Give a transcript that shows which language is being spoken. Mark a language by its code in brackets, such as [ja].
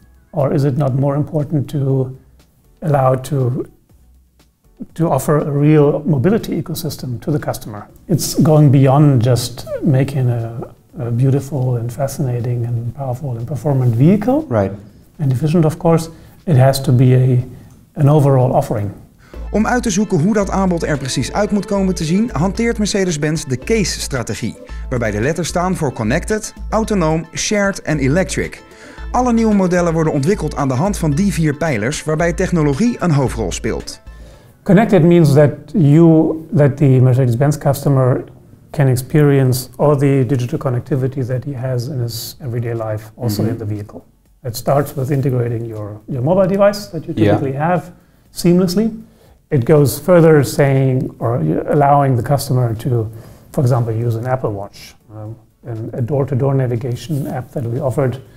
[en] Or is it not more important to allow to offer a real mobility ecosystem to the customer? It's going beyond just making a beautiful and fascinating and powerful and performant vehicle. Right. And efficient, of course. It has to be an overall offering. [nl] Om uit te zoeken hoe dat aanbod er precies uit moet komen te zien, hanteert Mercedes-Benz de CASE-strategie, waarbij de letters staan voor connected, autonoom, shared en electric. Alle nieuwe modellen worden ontwikkeld aan de hand van die vier pijlers, waarbij technologie een hoofdrol speelt. [en] Connected means that the Mercedes-Benz customer can experience all the digital connectivity that he has in his everyday life, also in the vehicle. It starts with integrating your mobile device that you typically have seamlessly. It goes further saying or allowing the customer to, for example, use an Apple Watch, a door-to-door navigation app that we offered.